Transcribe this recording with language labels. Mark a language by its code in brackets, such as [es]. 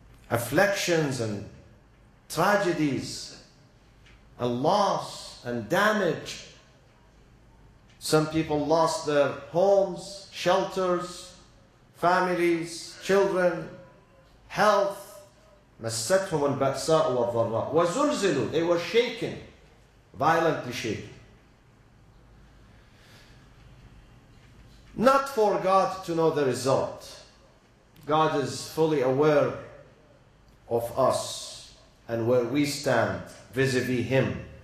[en] Afflictions and tragedies and loss and damage. Some people lost their homes, shelters, families, children, health, [ar] مستهم البأساء والضراء وزلزلوا. [en] They were shaken, violently shaken. Not for God to know the result. God is fully aware of us and where we stand vis-a-vis Him.